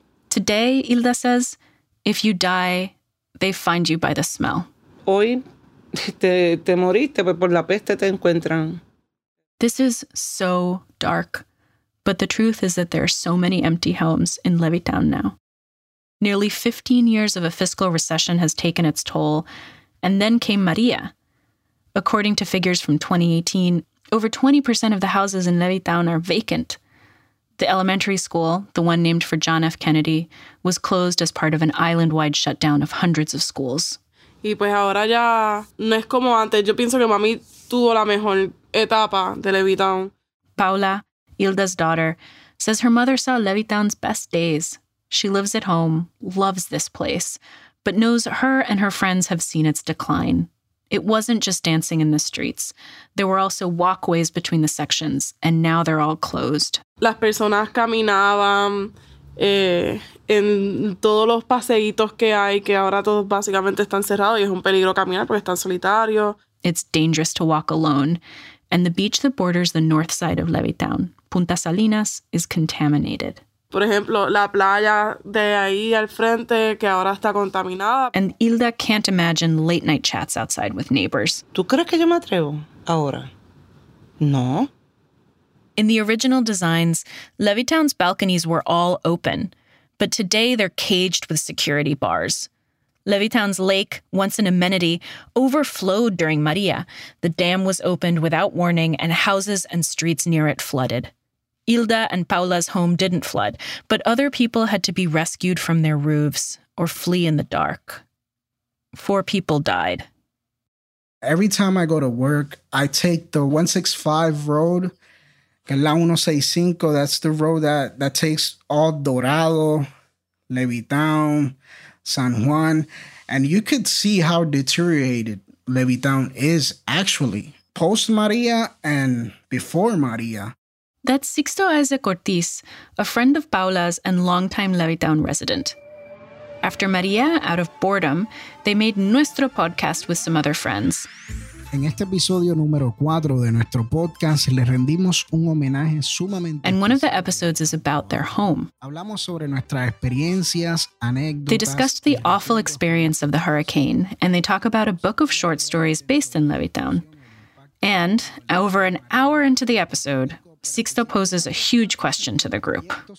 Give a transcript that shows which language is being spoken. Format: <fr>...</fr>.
<en>Today, Hilda says, if you die, they find you by the smell.</en> <es>Hoy, te moriste, pues por la peste te encuentran.</es> <en>This is so dark, but the truth is that there are so many empty homes in Levittown now. Nearly 15 years of a fiscal recession has taken its toll, and then came Maria. According to figures from 2018, over 20% of the houses in Levittown are vacant. The elementary school, the one named for John F. Kennedy, was closed as part of an island-wide shutdown of hundreds of schools.</en> <es>Y pues ahora ya no es como antes. Yo pienso que mami tuvo la mejor etapa de Levittown.</es> <en>Paula, Hilda's daughter, says her mother saw Levittown's best days. She lives at home, loves this place, but knows her and her friends have seen its decline. It wasn't just dancing in the streets. There were also walkways between the sections, and now they're all closed.</en> <es>Las personas caminaban en todos los paseitos que hay, que ahora todos básicamente están cerrados, y es un peligro caminar porque están solitarios.</es> <en>It's dangerous to walk alone, and the beach that borders the north side of Levittown, Punta Salinas, is contaminated.</en> <es>Por ejemplo, la playa de ahí al frente, que ahora está contaminada.</es> <en>And Hilda can't imagine late-night chats outside with neighbors.</en> <es>¿Tú crees que yo me atrevo ahora? No.</es> <en>In the original designs, Levittown's balconies were all open. But today, they're caged with security bars. Levittown's lake, once an amenity, overflowed during Maria. The dam was opened without warning, and houses and streets near it flooded. Hilda and Paula's home didn't flood, but other people had to be rescued from their roofs or flee in the dark. 4 people died. Every time I go to work, I take the 165 road, La 165, that's the road that takes all Dorado, Levittown, San Juan, and you could see how deteriorated Levittown is actually, post-Maria and before Maria. That's Sixto Isaac Ortiz, a friend of Paula's and longtime Levittown resident. After Maria, out of boredom, they made Nuestro Podcast with some other friends.</en> <es>En este episodio número 4 de nuestro podcast, le rendimos un homenaje sumamente...</es> <en>And one of the episodes is about their home.</en> <es>Hablamos sobre nuestras experiencias, anécdotas...</es> <en>They discussed the awful experience of the hurricane, and they talk about a book of short stories based in Levittown. And over an hour into the episode, Sixto poses a huge question to the group.</en>